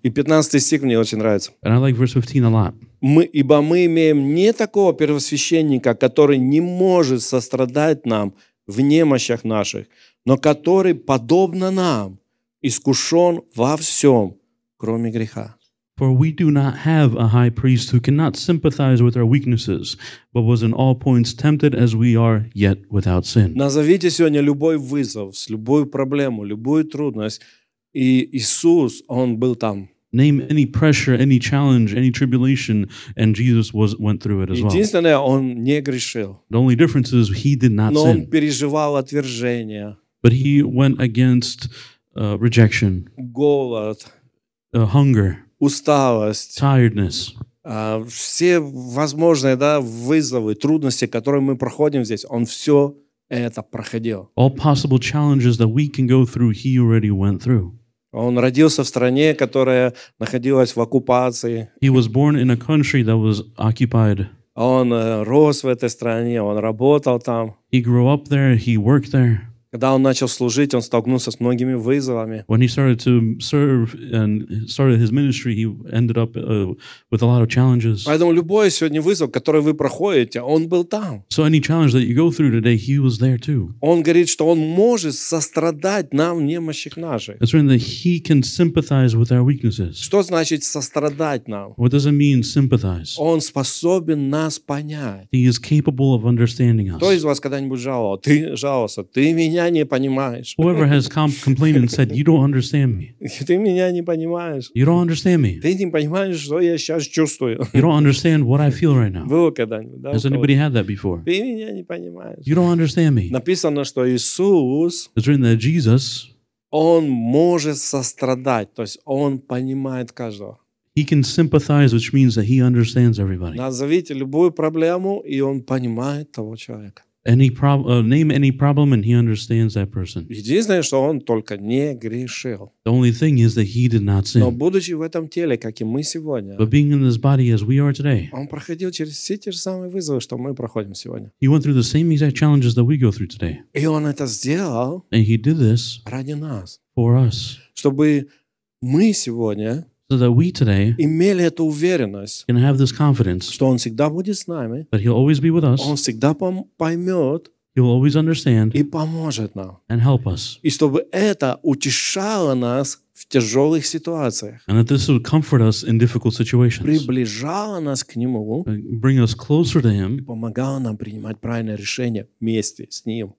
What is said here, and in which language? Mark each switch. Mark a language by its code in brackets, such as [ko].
[ru] И 15 стих мне очень нравится. [en] And I like verse 15 a lot. [ru] Ибо мы имеем не такого первосвященника, который не может сострадать нам в немощах наших, но который, подобно нам, искушен во всем, кроме греха. [en] For we do not have a high priest who cannot sympathize with our weaknesses, but was in all points tempted as we are, yet without sin. [ru] Назовите сегодня любой вызов, любую проблему, любую трудность, и Иисус, Он был там. [en] Name any pressure, any challenge, any tribulation, and Jesus went through it as well. [ru] Единственное, Он не грешил. [en] The only difference is He did not sin. [ru] Но Он переживал отвержение. [en] But He went against rejection. [ru] Голод. [en] Hunger. [ru] Усталость. [en] Tiredness. [ru] Все возможные, да, вызовы, трудности, которые мы проходим здесь, Он все это проходил. [en] All possible challenges that we can go through, He already went through. [ru] Он родился в стране, которая находилась в оккупации. [en] He was born in a country that was occupied. [ru] Он рос в этой стране, он работал там. [en] He grew up there, he worked there. [ru] Когда он начал служить, он столкнулся с многими вызовами. [en] When he started to serve and started his ministry, he ended up with a lot of challenges. [ru] Поэтому любой сегодня вызов, который вы проходите, он был там. [en] So any challenge that you go through today, he was there too. [ru] Он говорит, что он может сострадать нам немощих наших. [en] It's written that he can sympathize with our weaknesses. [ru] Что значит сострадать нам? [en] What does it mean sympathize? [ru] Он способен нас понять. [en] He is capable of understanding us. [ru] Кто из вас когда-нибудь жаловался? Ты жаловался? Ты меня не понимаешь. [en] Whoever has complained and said, you don't understand me. [ru] Ты меня не понимаешь. [en] You don't understand me. [ru] Ты не понимаешь, что я сейчас чувствую. [en] You don't understand what I feel right now. [ru] Было когда-нибудь, да? [en] Has anybody had that before? [ru] Ты меня не понимаешь. [en] You don't understand me. [ru] Написано, что Иисус, [en] it's written that Jesus, [ru] Он может сострадать, то есть Он понимает каждого. [en] He can sympathize, which means that He understands everybody. [ru] Назовите любую проблему, и Он понимает того человека. [en] Name any problem and he understands that person. [ru] Единственное, что он только не грешил. [en] The only thing is that he did not sin. [ru] Но будучи в этом теле, как и мы сегодня, [en] but being in this body as we are today, [ru] он проходил через все те же самые вызовы, что мы проходим сегодня. [en] He went through the same exact challenges that we go through today. [ru] И он это сделал, [en] and he did this [ru] ради нас, [en] for us, [ru] чтобы мы сегодня, [en] so that we today [ru] имели эту уверенность, [en] can have this confidence, [ru] что Он всегда будет с нами, [en] that He'll always be with us, [ru] Он всегда поймет, [en] He'll always understand, [ru] и поможет нам, [en] and help us, [ru] и чтобы это утешало нас в тяжелых ситуациях, [en] and that this would comfort us in difficult situations, [ru] приближало нас к Нему, [en] bring us closer to Him, [ru] и помогало нам принимать правильное решение вместе с Ним,